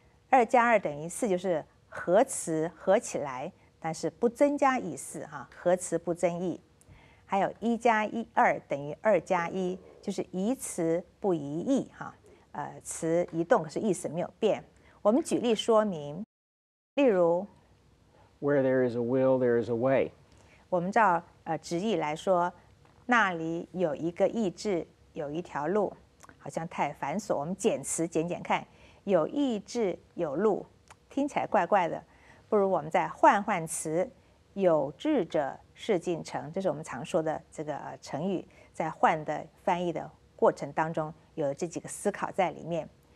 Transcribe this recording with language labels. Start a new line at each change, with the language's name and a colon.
Chinese: 二加二等于四，就是合词合起来但是不增加意思哈，合词不增意。还有一加一二等于二加一，就是移词不移意哈，词移动可是意思没有变。我们举例说明，例如
English: Where there is a will, there is a way。
Chinese: 我们照直译来说，那里有一个意志，有一条路，好像太繁琐，我们减词减减看，有意志有路听起来怪怪的，不如我们再换换词，有志者事竟成，这是我们常说的这个成语，在换的翻译的过程当中有这几个思考在里面。